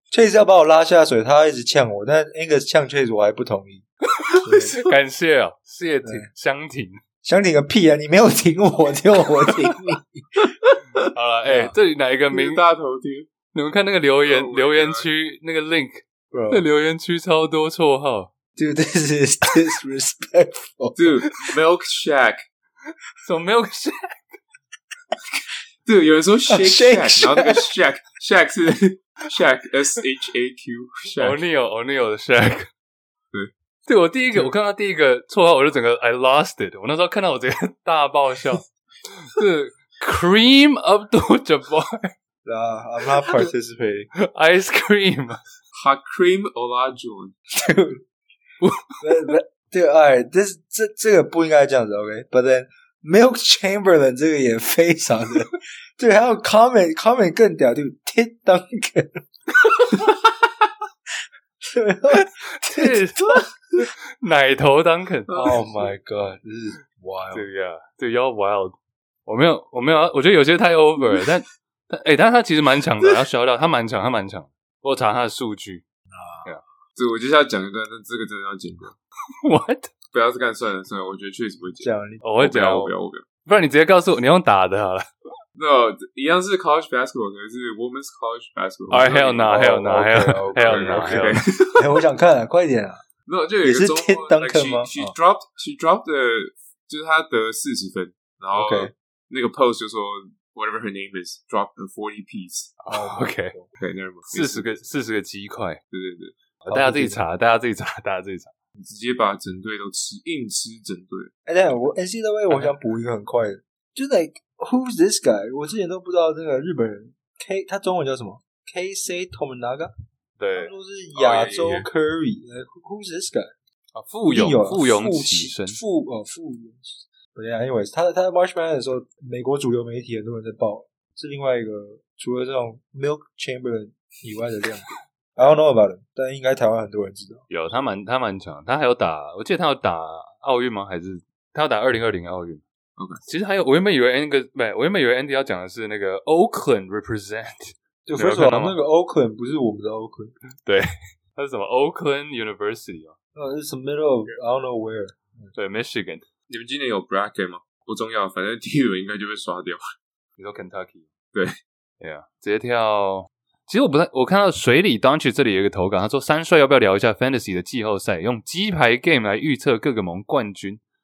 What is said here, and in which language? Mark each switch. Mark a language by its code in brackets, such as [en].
[zh] Chase 要把我拉下水他一直呛我，但 Angus 呛 Chase 我还不同意。感谢啊、哦、谢婷香婷。香婷个屁啊，你没有听我，只有我听你。好啦，欸这里哪一个名大头听。你们看那个留言、oh、留言区那个 link。 [en] Bro. [zh] 那留言区超多绰号。 [en] Dude, this is disrespectful. Dude, Milk Shack. [zh] 什么 Milk Shack? 对，有人说 Shake [en] Shack， [zh] 然后那个 Shack 是 Shack S H A Q Shack， O'Neal 的 Shack。对，对我第一个，我看到第一个绰号，我就整个 [en] I lost it。 [zh] 我那时候看到我直接大爆笑，是 Cream Abdul Jabbar。 [en] I'm not participating. Ice Cream， Hot Cream Olajuwon。 [zh] 对，这个不应该这样子 ，OK？ But then。 Milk Chamberlain 这个也非常的对，还有 comment 更屌，就 Tit Duncan， 对，Tit 奶头 Duncan， [en] Oh my God， this is wild， [zh] 对呀，对 ， [en] y'all wild， [zh] 我没有，我觉得有些太 over 了，但他其实蛮强的，要笑掉，他蛮强，我查他的数据，啊，对，我接下来讲一段，但这个真的要剪掉 [en] ，What？ [zh] 不要是干算了算了，我觉得确实不会剪。讲你，我会讲，我不要，不然你直接告诉我，你用打的好了。 [en] No， [zh] 一样是 [en] college basketball， [zh] 可是 [en] women's college basketball。 Alright， hell no， hell no， hell hell no， hell。 [zh] 哎，我想看，快点啊！没有，就有一个中锋 Duncan 吗 [en] ？She dropped the， [zh] 就是他得40分，然后那个 post 就说 [en] whatever her name is dropped the 40 piece。 Okay， [zh] 那 40个鸡块，对，大家自己查。你直接把整队都吃，硬吃整队。哎，等一下，我 NCAA 我想补一个很快的，就 like [en] who's this guy？ [zh] 我之前都不知道那个日本人 K， 他中文叫什么 ？KC Tomonaga，对，他说是亚洲 Curry、oh,。 [en] Who's this guy？ [zh] 啊，富勇，富勇起身，富勇。对啊 ，anyways， 他 March Madness 的时候，美国主流媒体很多人在报，是另外一个除了这种 Milk Chamberlain 以外的亮点。 [en] I don't know about him, [zh] 但应该台湾很多人知道。有，他蛮强，他还有打，我记得他有打奥运吗？还是他有打2020奥运？ [en] OK， [zh] 其实还有，我原本以为 Andy 要讲的是那个 Oakland represent，就 [en] first of all [zh] 那个 Oakland 不是我们的 Oakland，对，他是什么 Oakland University 啊？ [en] It's the middle of I don't know where， [zh] 对 ，Michigan。你们今年有 bracket 吗？不重要，反正第一轮应该就被刷掉。你说 Kentucky？对 [en] ，Yeah， 直接跳。 [zh] 其实我不太，我看到水里 Dunch 这里有一个投稿，他说三帅要不要聊一下 Fantasy 的季后赛，用鸡排 Game 来预测各个盟冠军。